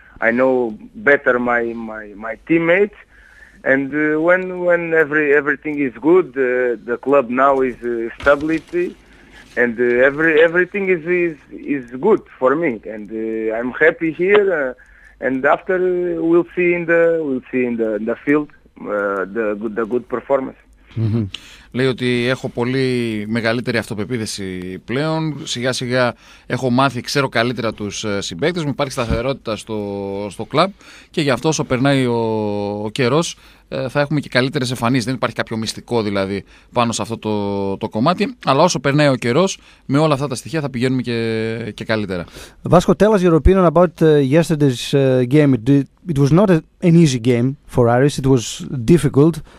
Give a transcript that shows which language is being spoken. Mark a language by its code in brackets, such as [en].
[en] I know better my teammates, and when everything is good, the club now is stability, and everything is good for me, and I'm happy here. And after we'll see in the field the good performance. [el] Λέει ότι έχω πολύ μεγαλύτερη αυτοπεποίθηση πλέον. Σιγά σιγά έχω μάθει, ξέρω καλύτερα τους συμπαίκτες μου. Υπάρχει σταθερότητα στο κλαμπ και γι' αυτό όσο περνάει ο καιρός θα έχουμε και καλύτερες εμφανίσεις. Δεν υπάρχει κάποιο μυστικό δηλαδή πάνω σε αυτό το κομμάτι. Αλλά όσο περνάει ο καιρός, με όλα αυτά τα στοιχεία θα πηγαίνουμε και καλύτερα. [en] Vasco, tell us your opinion about yesterday's game. It was not an easy game for Aris, it was difficult.